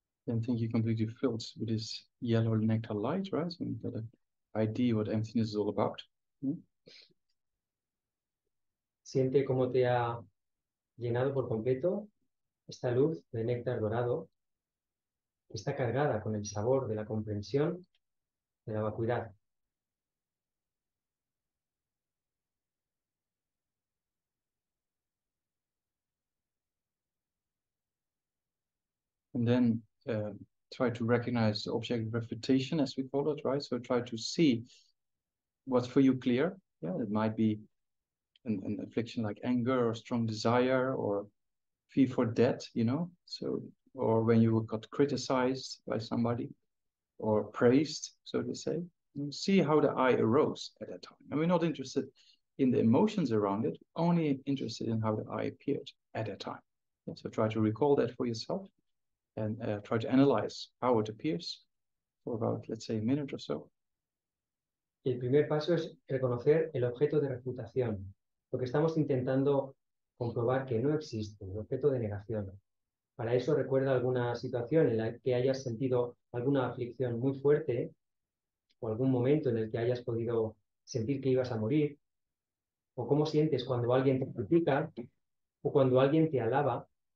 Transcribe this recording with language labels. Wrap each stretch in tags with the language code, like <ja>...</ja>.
<en>I think you completely filled with this yellow nectar light, right? So you've got an idea what emptiness is all about.</en> <es>Siente cómo te ha llenado por completo esta luz de néctar dorado que está cargada con el sabor de la comprensión de la vacuidad.</es> <en>And then try to recognize the object refutation, as we call it, right? So try to see what's for you clear. Yeah, it might be an affliction like anger or strong desire or fear for death, you know? So, or when you got criticized by somebody or praised, so to say. And see how the I arose at that time. And we're not interested in the emotions around it, only interested in how the I appeared at that time. Yeah, so try to recall that for yourself. And try to analyze how it appears for about, let's say, a minute or so.</en> <es>El primer paso es reconocer el objeto de refutación, lo que estamos intentando comprobar que no existe, el objeto de negación. Para eso recuerda alguna situación en la que hayas sentido alguna aflicción muy fuerte o algún momento en el que hayas podido sentir que ibas a morir o cómo sientes cuando alguien te critica o cuando alguien te alaba.</es>